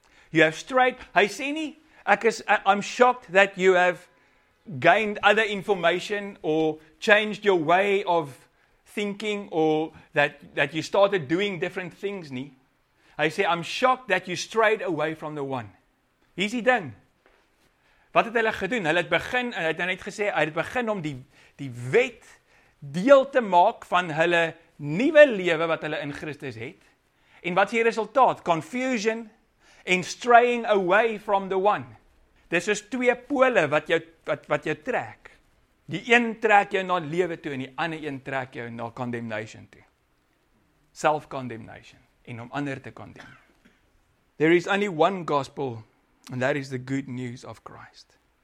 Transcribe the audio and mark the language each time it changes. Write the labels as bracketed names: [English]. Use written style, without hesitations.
[English] You have strayed, [Afrikaans] hy sê nie, [English] I'm shocked that you have gained other information or changed your way of thinking or that you started doing different things [Afrikaans] nie. Hy sê, [English] I'm shocked that you strayed away from the one. [Afrikaans] Hier is die ding. Wat het hulle gedoen? Hulle het begin om die wet deel te maak van hulle nuwe lewe wat hulle in Christus het. En wat is die resultaat? [English] Confusion and straying away from the one. [Afrikaans] Dis is twee pole wat jou trek. Die een trek jou na lewe toe en die ander een trek jou na condemnation toe. Self-condemnation. En om ander te condemn. [English] There is only one gospel and that is the good news of Christ.